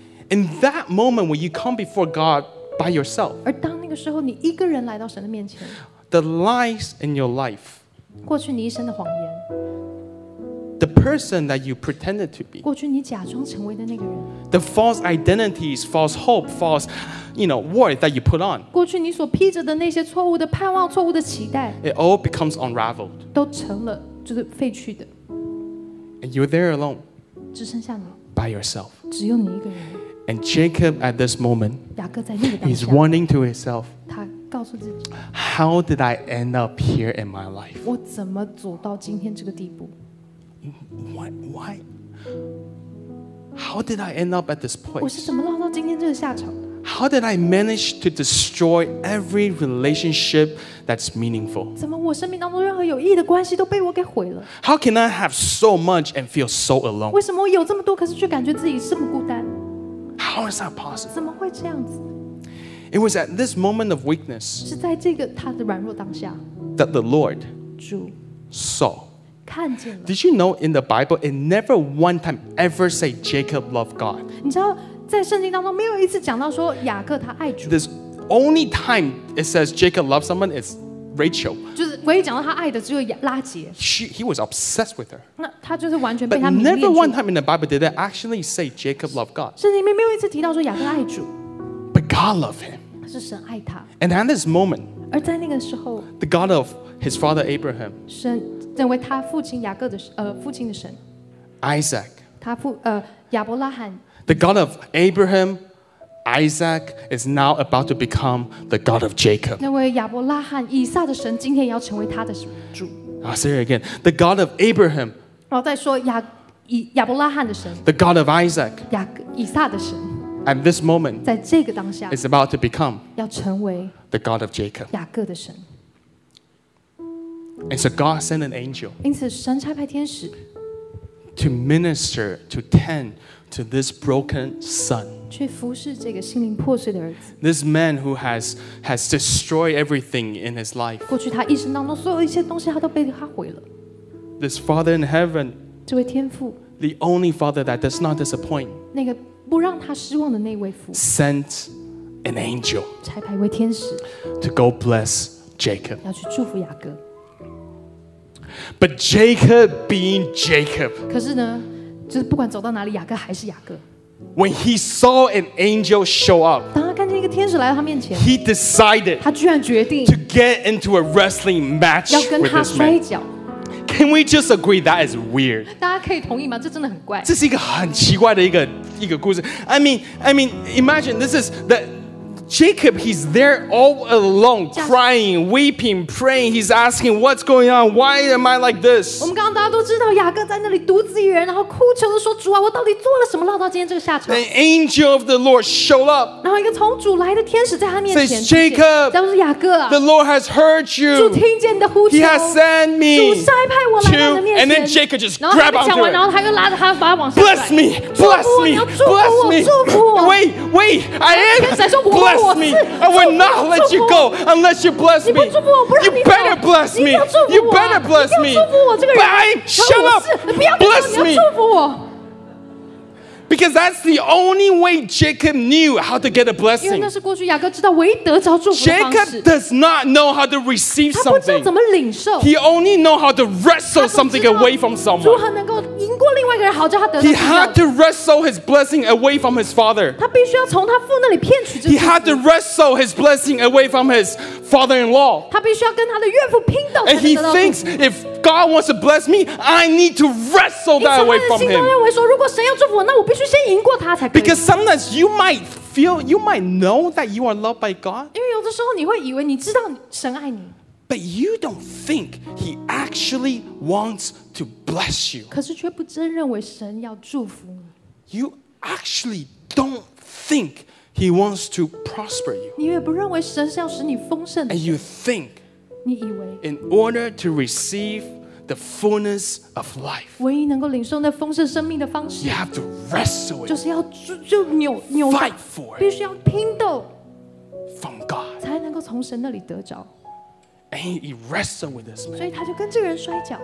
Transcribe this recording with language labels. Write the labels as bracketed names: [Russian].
[English] In that moment when you come before God by yourself, [Chinese] 而当那个时候你一个人来到神的面前， [English] the lies in your life, [Chinese] 过去你一生的谎言。 [English] The person that you pretended to be. [Chinese] 过去你假装成为的那个人。 [English] The false identities, false hope, false, you know, worth that you put on. [Chinese] 过去你所披着的那些错误的盼望、错误的期待。 [English] It all becomes unraveled. [Chinese] 都成了就是废去的。 [English] And you're there alone. [Chinese] 只剩下你。 [English] By yourself. [Chinese] 只有你一个人。 [English] And Jacob at this moment. [Chinese] 雅各在那个当下。 [English] He's wondering to himself. [Chinese] 他告诉自己。 [English] How did I end up here in my life? [Chinese] 我怎么走到今天这个地步？ [English] Why? How did I end up at this place? [Chinese] 我是怎么落到今天这个下场？ [English] How did I manage to destroy every relationship that's meaningful? [Chinese] 怎么我生命当中任何有意义的关系都被我给毁了？ [English] How can I have so much and feel so alone? [Chinese] 为什么我有这么多，可是却感觉自己这么孤单？ [English] How is that possible? [Chinese] 怎么会这样子？ [English] It was at this moment of weakness [Chinese] 是在这个他的软弱当下 [English] that the Lord [Chinese] 主 [English] saw. Did you know in the Bible, it never one time ever say Jacob loved God? [Chinese] 你知道在圣经当中没有一次讲到说雅各他爱主。 [English] The only time it says Jacob loved someone is Rachel. [Chinese] 就是唯一讲到他爱的只有拉结。 [English] He was obsessed with her. [Chinese] 那他就是完全被他迷恋住。 [English] But never one time in the Bible did it actually say Jacob loved God. [Chinese] 圣经里面没有一次提到说雅各爱主。 [English] But God loved him. [Chinese] 是神爱他。 [English] And at this moment, [Chinese] 而在那个时候 [English] the God of his father Abraham. [Chinese] 神成为他父亲雅各的父亲的神 [English] ，Isaac， [Chinese] 他父亚伯拉罕 [English] ，The God of Abraham, Isaac is now about to become the God of Jacob。 [Chinese] 那位亚伯拉罕、以撒的神，今天要成为他的主。 [English] I'll say it again, the God of Abraham。 [Chinese] 我再说亚伯拉罕的神 [English] ，The God of Isaac， [Chinese] 以撒的神 [English] ，At this moment， [Chinese] 在这个当下 [English] ，is about to become [Chinese] 要成为 [English] the God of Jacob， [Chinese] 雅各的神。 [English] And so God sent an angel. [Chinese] 因此神差派天使 [English] to minister, to tend to this broken son. [Chinese] 去服侍这个心灵破碎的儿子 [English] This man who has destroyed everything in his life. [Chinese] 过去他一生当中所有一切东西，他都被他毁了 [English] This Father in heaven. [Chinese] 这位天父 [English] The only Father that does not disappoint. [Chinese] 那个不让他失望的那位父 [English] sent an angel. [Chinese] 差派一位天使 [English] to go bless Jacob. [Chinese] 要去祝福雅各。 [English] But Jacob being Jacob. [Chinese] 可是呢，就是不管走到哪里，雅各还是雅各。 [English] When he saw an angel show up, [Chinese] 当他看见一个天使来到他面前 [English] ，he decided [Chinese] 他居然决定 [English] to get into a wrestling match with this man. [Chinese] 要跟他摔跤。 [English] Can we just agree that is weird? [Chinese] 大家可以同意吗？这真的很怪。这是一个很奇怪的一个故事。 [English] I mean, imagine this is that. Jacob, he's there all alone, crying, weeping, praying. He's asking, "What's going on? Why am I like this?" [Chinese] 我们刚刚大家都知道，雅各在那里独自一人，然后哭求的说：“主啊，我到底做了什么，落到今天这个下场？” [English] An angel of the Lord showed up. [Chinese] 然后一个从主来的天使在他面前 [English] says, "Jacob, [Chinese] 叫做雅各 [English] The Lord has heard you. [Chinese] 主听见你的呼求 [English] He has sent me. [Chinese] 主差派我来到你的面前 [English] And then Jacob just grab onto him. [Chinese] 然后他讲完，然后他又拉着他，把他往下拽 [English] Bless me, bless me, bless me. [Chinese] 祝福我，祝福我 [English] Wait, I am. [Chinese] 天使说我。 [English] Bless me. I will not let you go unless you bless me. You better bless me. You better bless me. Shut up. Bless me. Because that's the only way Jacob knew how to get a blessing. Jacob does not know how to receive something. He only knows how to wrestle something away from someone. [Chinese] 过另外一个人，好叫他得到。 [English] He had to wrestle his blessing away from his father. [Chinese] 他必须要从他父那里骗取这祝福。 [English] He had to wrestle his blessing away from his father-in-law. [Chinese] 他必须要跟他的岳父拼斗。 [English] And he thinks if God wants to bless me, I need to wrestle that away from him. [Chinese] 他的心中认为说，如果神要祝福我，那我必须先赢过他才可以。 [English] Because sometimes you might know that you are loved by God. [Chinese] 因为有的时候你会以为你知道神爱你。 [English] But you don't think he actually wants to bless you. [Chinese] 可是却不真认为神要祝福你。 [English] You actually don't think he wants to prosper you. [Chinese] 你也不认为神是要使你丰盛的。 [English] And you think, [Chinese] 你以为 [English] in order to receive the fullness of life, [Chinese] 唯一能够领受那丰盛生命的方式 [English] you have to wrestle it, [Chinese] 就是要就扭 [English] fight for it, [Chinese] 必须要拼斗 [English] from God, [Chinese] 才能够从神那里得着。 [English] And he wrestled with this man. [Chinese] 所以他就跟这个人摔跤。